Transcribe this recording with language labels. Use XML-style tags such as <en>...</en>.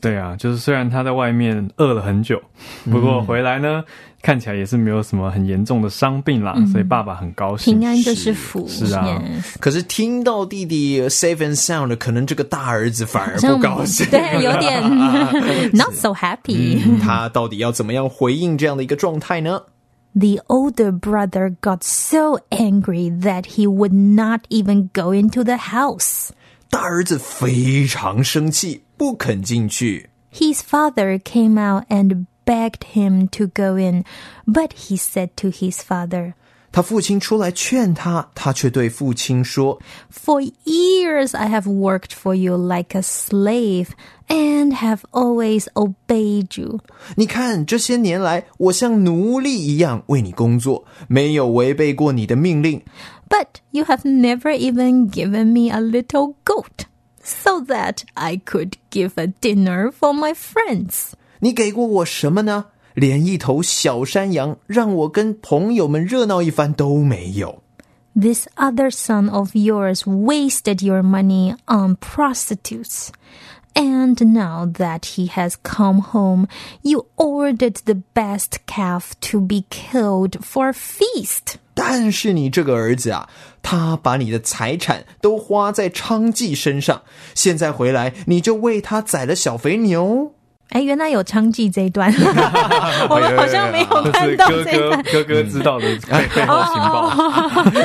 <zh>对啊，就是虽然他在外面饿了很久，不过回来呢看起来也是没有什么很严重的伤病啦，所以爸爸很高兴，平安就是福。是啊，可是听到弟弟</zh> <en>safe and sound，</en> <zh>可能这个大儿子反而不高兴。对，有点</zh> <en>not so happy。</en> <zh>他到底要怎么样回应这样的一个状态呢？</zh> <en>The older brother got so angry that he would not even go into the house.</en> <zh>大儿子非常生气，不肯进去。</zh> <en>His father came out and begged him to go in, but he said to his father,</en> <zh>他父亲出来劝他，他却对父亲说,</zh> <en>For years I have worked for you like a slave. And have always obeyed you.</en> <zh>你看，这些年来，我像奴隶一样为你工作，没有违背过你的命令。</zh> <en>But you have never even given me a little goat so that I could give a dinner for my friends.</en> <zh>你给过我什么呢？连一头小山羊让我跟朋友们热闹一番都没有。</zh> <en>This other son of yours wasted your money on prostitutes. And now that he has come home, you ordered the best calf to be killed for a feast.</en> <zh>但是你这个儿子啊，他把你的财产都花在娼妓身上，现在回来你就为他宰了小肥牛。哎，原来有娼妓这一段，我们好像没有看到这一段。哥哥知道的背后情报，</zh>